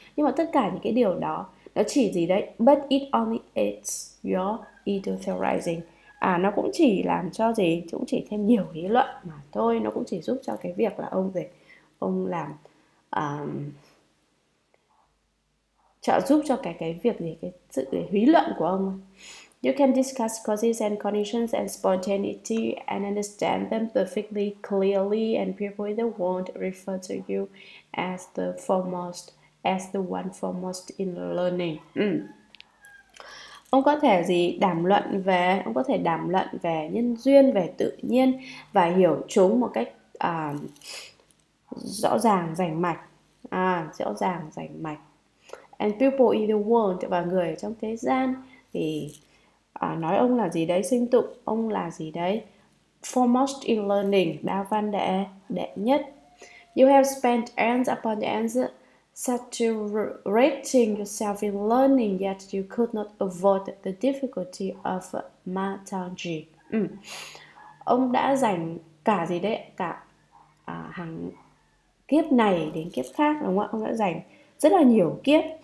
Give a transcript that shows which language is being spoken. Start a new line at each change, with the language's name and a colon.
Vietnamese: Nhưng mà tất cả những cái điều đó nó chỉ gì đấy,
English: but it only aids your ego theorizing.
Vietnamese: À, nó cũng chỉ làm cho gì, cũng chỉ thêm nhiều lý luận mà thôi, nó cũng chỉ giúp cho cái việc là ông gì, ông làm trợ giúp cho cái việc gì, cái sự lý luận của ông.
English: You can discuss causes and conditions and spontaneity and understand them perfectly clearly, and people in the world refer to you as the foremost, as the one foremost in learning.
Vietnamese: Ông có thể gì đàm luận về, ông có thể đàm luận về nhân duyên, về tự nhiên và hiểu chúng một cách rõ ràng rành mạch. À, rõ ràng rành mạch.
English: And people in the world,
Vietnamese: và người trong thế gian thì nói ông là gì đấy, sinh tụng ông là gì đấy,
English: foremost in learning,
Vietnamese: đa văn đệ nhất.
English: You have spent ends upon ends saturating yourself in learning yet you could not avoid the difficulty of Mataji.
Vietnamese: Ừ. Ông đã dành cả gì đấy, cả hàng kiếp này đến kiếp khác đúng không ạ? Ông đã dành rất là nhiều kiếp